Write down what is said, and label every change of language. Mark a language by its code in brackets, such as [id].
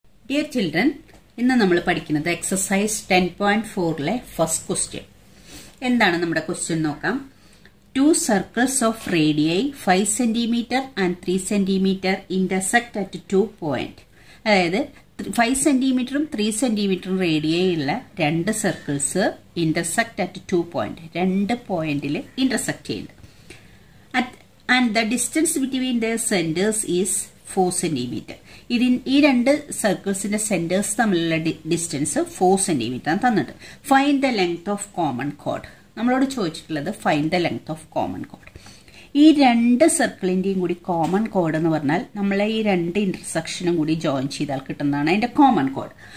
[en] Dear children, [ml] ഇന്ന് നമ്മൾ പഠിക്കുന്നത് എക്സസൈസ് 10.4 ലെ ഫസ്റ്റ് ക്വസ്റ്റ്യൻ. എന്താണ് നമ്മുടെ ക്വസ്റ്റ്യൻ നോക്കാം. [en] Two circles of radii 5 cm and 3 cm intersect at 2 point. [ml] അതായത് 5 cm 3 cm റേഡിയൈ ഉള്ള രണ്ട് സർക്കിൾസ് [en] intersect at 2 point, [ml] രണ്ട് പോയിന്റിൽ ഇന്റർസെക്ട് ചെയ്യുന്നത്. [en] And the distance between their centers is 4 cm. [ml] ഈ രണ്ട് സർക്കിൾസിന്റെ സെന്റേഴ്സ് തമ്മിലുള്ള ഡിസ്റ്റൻസ് 4 cm ആണ് തന്നിട്ട്. [en] find the length of common chord, [ml] നമ്മളോട് ചോദിച്ചിട്ടുള്ളത് [en] Find the length of common chord. [ml] ഈ രണ്ട് സർക്കിളിൻ്റെയും കൂടി കോമൺ കോഡ് എന്ന് പറഞ്ഞാൽ നമ്മൾ ഈ രണ്ട് ഇന്റർസെക്ഷനും കൂടി ജോയിൻ ചെയ്താൽ കിട്ടുന്നതാണ് അതിൻ്റെ കോമൺ കോഡ്.